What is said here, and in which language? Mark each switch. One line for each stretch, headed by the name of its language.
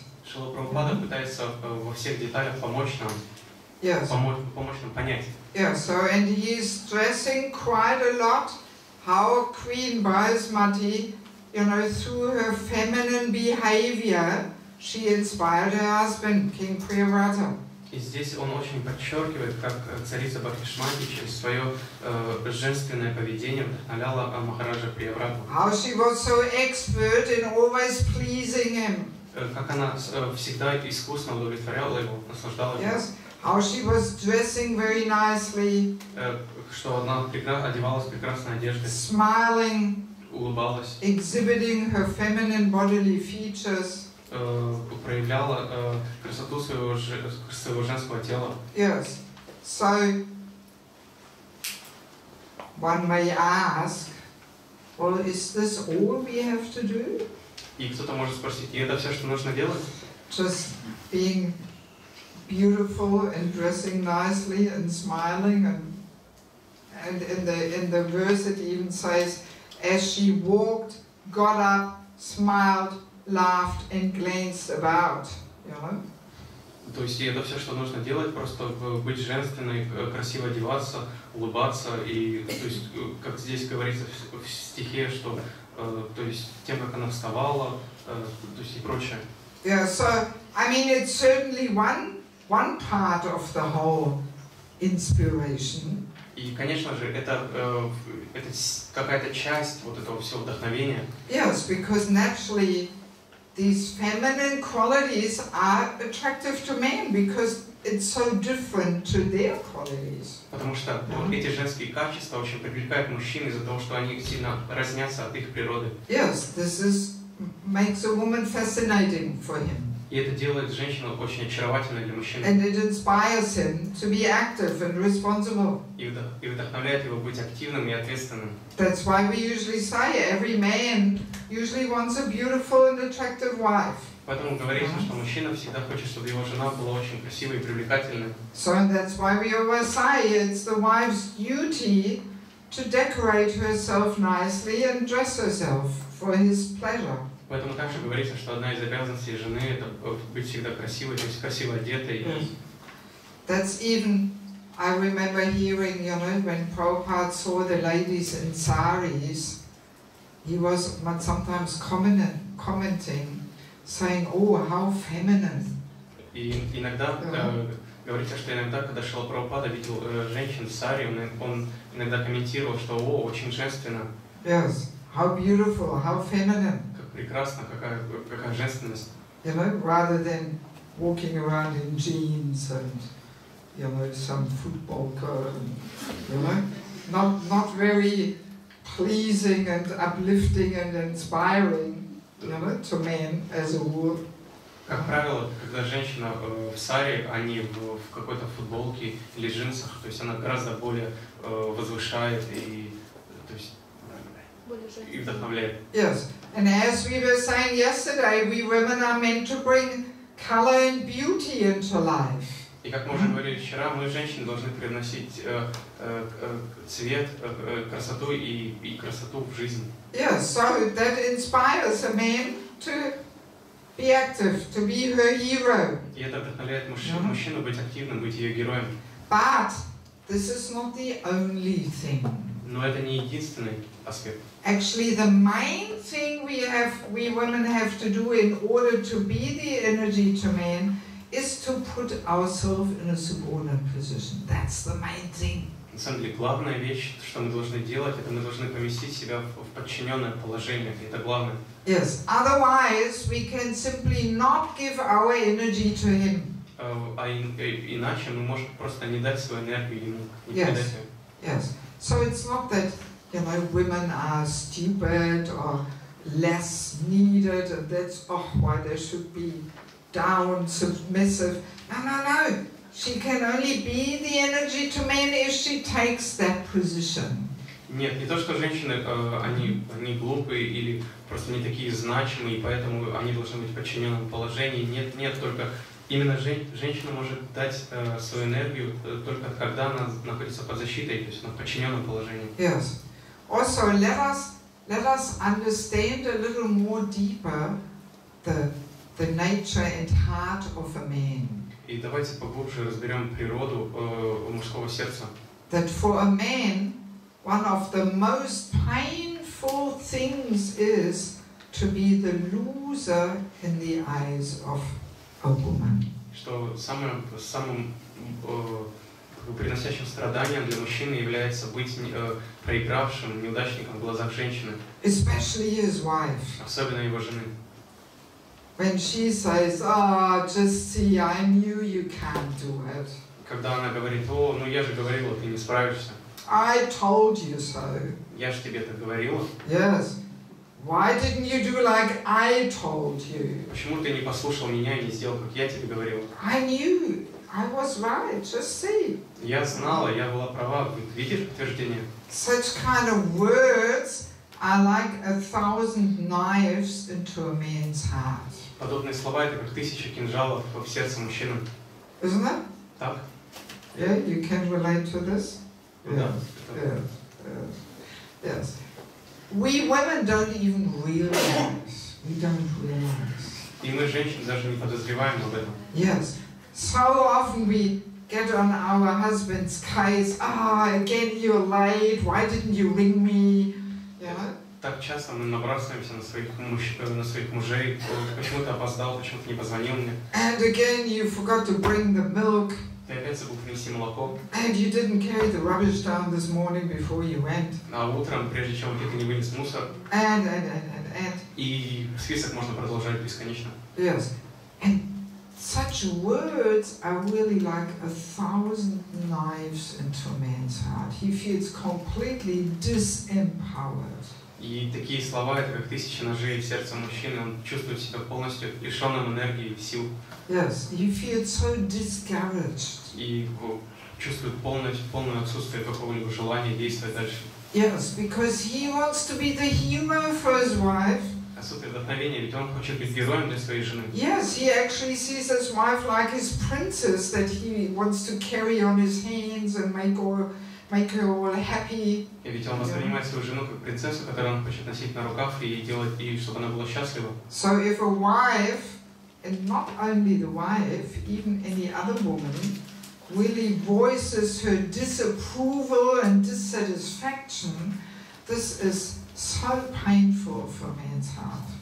Russian: Шрила Прабхупада пытается во всех деталях помочь нам.
English: Yes.
Russian: Помочь нам понять.
English: Yeah, so and he is stressing quite a lot how Queen Bhasmati, you know, through her feminine behavior, she inspired her husband, King Priyavrata.
Russian: И здесь он очень подчеркивает, как царица Бхакти-шманти через свое женственное поведение вдохновляла Махараджа Приявраты.
English: How she was so expert in always pleasing him.
Russian: Как она всегда искусно удовлетворяла его, наслаждала его.
English: Yes. How she was dressing very nicely.
Russian: Что она одевалась прекрасной одеждой.
English: Smiling.
Russian: Улыбалась.
English: Exhibiting her feminine bodily features.
Russian: Проявляла красоту своего женского тела.
English: Yes. So one may ask, well, is this all we have to do?
Russian: И кто-то может спросить, и это все, что нужно делать?
English: Just being beautiful and dressing nicely and smiling and in the verse it even says, as she walked, got up, smiled, laughed and glanced about. You know?
Russian: То есть это все, что нужно делать, просто быть женственной, красиво одеваться, улыбаться и, то есть, как здесь говорится в стихе, что, то есть, тем, как она вставала, то есть и прочее.
English: Yeah, so, I mean, it's certainly one part of the whole inspiration.
Russian: И, конечно же, это какая-то часть вот этого всего вдохновения.
English: Yes, because naturally, these feminine qualities are attractive to men because it's so different to their qualities.
Russian: Потому что эти женские качества очень привлекают мужчин из-за того, что они сильно разнятся от их природы.
English: Yes, this is makes a woman fascinating for him.
Russian: И это делает женщину очень очаровательной для мужчины.
English: And it inspires him to be active and responsible.
Russian: И вдохновляет его быть активным и ответственным.
English: That's why we usually say every man usually wants a beautiful and attractive wife.
Russian: Поэтому говорится, что мужчина всегда хочет, чтобы его жена была очень красивой и привлекательной.
English: So that's why we always say it's the wife's duty to decorate herself nicely and dress herself for his pleasure.
Russian: Поэтому также говорится, что одна из обязанностей жены – это быть всегда красивой, то есть красиво одетой.
English: That's even, I remember hearing, you know, when Prabhupada saw the ladies in saris, he was sometimes commenting, saying, oh, how feminine.
Russian: И иногда, говорится, что иногда, когда Шрила Прабхупада видел женщин в сари, он иногда комментировал, что, о, очень женственно.
English: Yes, how beautiful, how feminine.
Russian: Прекрасно, какая женственность.
English: You know, rather than walking around in jeans and, you know, some football coat, you know, not very pleasing and uplifting and inspiring, you know, to men as a whole.
Russian: Как правило, когда женщина в саре, а не в какой-то футболке или джинсах, то есть она гораздо более возвышает и, то есть, и вдохновляет.
English: Yes. And as we were saying yesterday, we women are meant to bring color and beauty into life.
Russian: И как мы уже говорили вчера, мы женщины должны приносить цвет, красоту и красоту в жизнь.
English: Yes, so that inspires a man to be active, to be her hero.
Russian: И это вдохновляет мужчину быть активным, быть ее героем.
English: But this is not the only thing.
Russian: Но это не единственный аспект.
English: Actually, the main thing we women have to do in order to be the energy to men is to put ourselves in a subordinate position. That's the main thing.
Russian: На самом деле, главная вещь, что мы должны делать, это мы должны поместить себя в подчиненное положение. Это главное.
English: Yes. Otherwise, we can simply not give our energy to him.
Russian: Иначе мы можем просто не дать свою энергию ему.
English: Yes, yes. So it's not that, you know, women are stupid or less needed, and that's why they should be down, submissive. No, no, no. She can only be the energy to men if she takes that position.
Russian: Нет, не то, что женщины, они глупые или просто не такие значимые, и поэтому они должны быть в подчиненном положении. Нет, нет, только именно женщина может дать свою энергию только когда она находится под защитой, то есть она в подчиненном положении.
English: Yes. Also, let us understand a little more deeper the nature and heart of a man.
Russian: И давайте поглубже разберем природу мужского сердца.
English: That for a man, one of the most painful things is to be the loser in the eyes of a woman.
Russian: Что самым приносящим страданием для мужчины является быть проигравшим, неудачником в глазах женщины.
English: Especially his wife.
Russian: Особенно его жены.
English: When she says, "Ah, just see, I knew you can't do it."
Russian: Когда она говорит: "О, ну я же говорила, ты не справишься."
English: I told you so.
Russian: Я же тебе так говорила.
English: Yes. Why didn't you do like I told you?
Russian: Почему ты не послушал меня и не сделал, как я тебе говорил?
English: I knew. I was right. Just see.
Russian: Я знала, я была права. Видишь подтверждение?
English: Such kind of words are like 1,000 knives into a man's heart.
Russian: Подобные слова — это как 1,000 кинжалов в сердце мужчины.
English: Isn't it?
Russian: Так.
English: Yeah, you can relate to this. Yes. Yes. Yes. We women don't even realize. We don't realize.
Russian: И мы женщины даже не подозреваем об этом.
English: Yes. So often we get on our husband's case. Again you're late. Why didn't you ring me? Yeah.
Russian: Так часто мы набрасываемся на своих мужей. Почему ты опоздал? Почему ты не позвонил мне?
English: And again you forgot to bring the milk.
Russian: Ты опять забыл принести молоко.
English: And you didn't carry the rubbish down this morning before you went.
Russian: А утром, прежде чем ты не вынес мусор.
English: And.
Russian: И список можно продолжать бесконечно.
English: Yes. And such words are really like 1,000 knives into a man's heart. He feels completely disempowered.
Russian: И такие слова — это как 1,000 ножей в сердце мужчины. Он чувствует себя полностью лишенным энергии и сил.
English: Yes, you feel so discouraged.
Russian: И чувствует полное отсутствие какого-либо желания действовать дальше.
English: Yes, because he wants to be the hero for his wife.
Russian: Особое вдохновение, ведь он хочет быть героем для своей жены.
English: Yes, he actually sees his wife like his princess that he wants to carry on his hands and make her all happy.
Russian: И ведь он воспринимает свою жену как принцессу, которую он хочет носить на руках и делать, и чтобы она была счастлива.
English: So if a wife, and not only the wife, even any other woman, really voices her disapproval and dissatisfaction, this is so painful for a man's heart.